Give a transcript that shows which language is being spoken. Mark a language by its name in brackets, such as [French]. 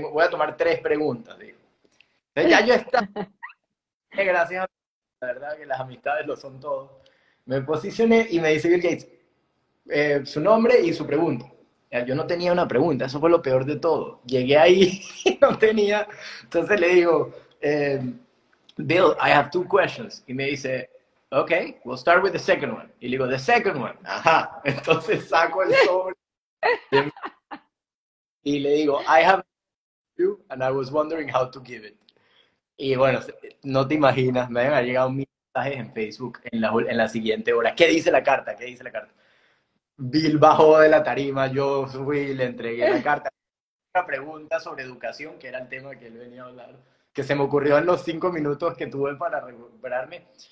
[Spanish] Voy a tomar tres preguntas, digo. Entonces ya yo estaba. Gracias a Dios, la verdad que las amistades lo son todo. Me posicioné y me dice Bill Gates, su nombre y su pregunta. Yo no tenía una pregunta, eso fue lo peor de todo. Llegué ahí y no tenía. Entonces le digo, [English] Bill, I have two questions. [Spanish] Y me dice, [English] OK, we'll start with the second one. [Spanish] Y le digo, [English] the second one. Ajá. [Spanish] Entonces saco el sobre y le digo, [English] I have two and I was wondering how to give it. [Spanish] Y bueno, no te imaginas, me ha llegado un en Facebook en la siguiente hora. ¿Qué dice la carta? ¿Qué dice la carta? Bill bajó de la tarima, yo fui, le entregué la carta. Una pregunta sobre educación, que era el tema que él venía a hablar, que se me ocurrió en los 5 minutos que tuve para recuperarme.